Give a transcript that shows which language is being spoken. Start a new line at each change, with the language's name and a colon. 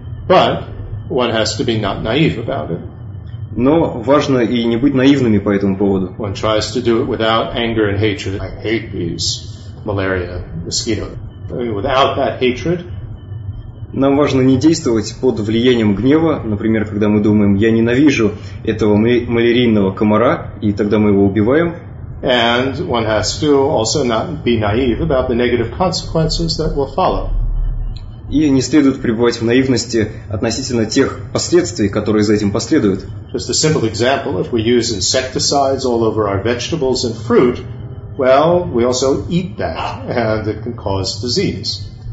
English: But one has to be not naive about it.
Russian: Но важно и не быть наивными по этому поводу.
English: One tries to do it without anger and hatred. I hate these malaria mosquitoes. Without that hatred.
Russian: Нам важно не действовать под влиянием гнева, например, когда мы думаем, я ненавижу этого малярийного комара, и тогда мы его убиваем.
English: And one has to also not be naive about the negative consequences that will follow.
Russian: И не следует пребывать в наивности относительно тех последствий, которые за этим последуют.
English: Just a simple example, if we use insecticides all over our vegetables and fruit, well, we also eat that, and it can cause disease.